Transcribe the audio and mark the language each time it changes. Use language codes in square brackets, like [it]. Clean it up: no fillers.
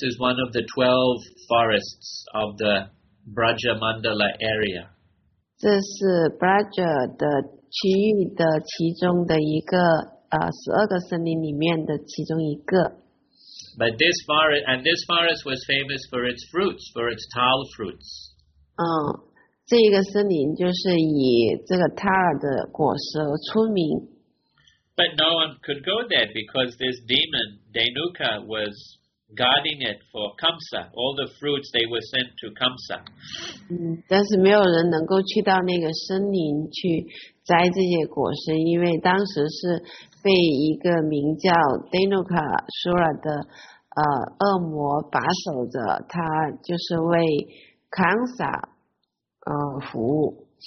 [en] is one of the 12 forests of the Brajamandala area. [zh] 这是Braja的区域的其中的一个，十二个森林里面的其中一个。 [en] But this forest, and this forest was famous for its fruits, for its tal fruits. [zh] 这一个森林就是以这个塔尔的果实而出名。 [en] But no one could go there because this demon, Dainuka, was guarding it for Kamsa. All the fruits, they were sent to Kamsa. [zh] 但是没有人能够去到那个森林去摘这些果实，因为当时是被一个名叫 Dainuka Sura 的恶魔把守着，他就是为 Kamsa 服务。